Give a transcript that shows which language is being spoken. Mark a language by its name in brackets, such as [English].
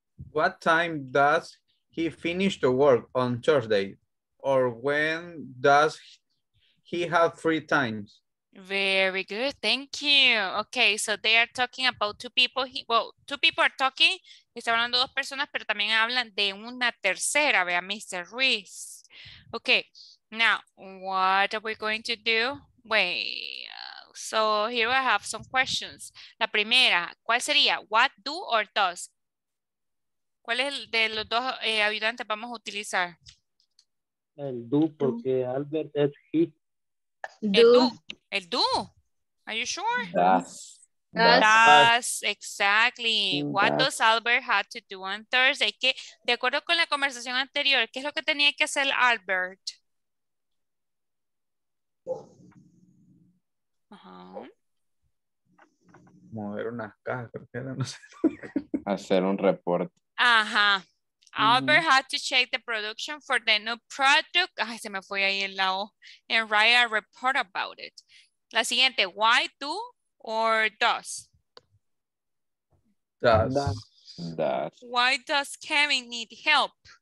[English] What time does he finish the work on Thursday? Or when does he had three times. Very good. Thank you. Okay, so they are talking about two people. Two people are talking. [Spanish] Están hablando dos personas, pero también hablan de una tercera. Vea, Mr. Ruiz. [English] Okay, now, what are we going to do? So here I have some questions. [Spanish] La primera, ¿cuál sería? [English] What do or does? [Spanish] ¿Cuál es el de los dos ayudantes vamos a utilizar? El do, porque Albert es he. [English] El do. Are you sure? Das. Exactly. What does Albert have to do on Thursday? [Spanish] ¿Qué, de acuerdo con la conversación anterior, qué es lo que tenía que hacer Albert? Uh-huh. Mover unas cajas, creo que era, no sé. Hacer un reporte. Ajá. [English] Albert had to check the production for the new product. [Spanish] Ay, se me fue ahí el lado. [English] And write a report about it. [Spanish] La siguiente, why, do, or does? [English] Does. Why does Kevin need help?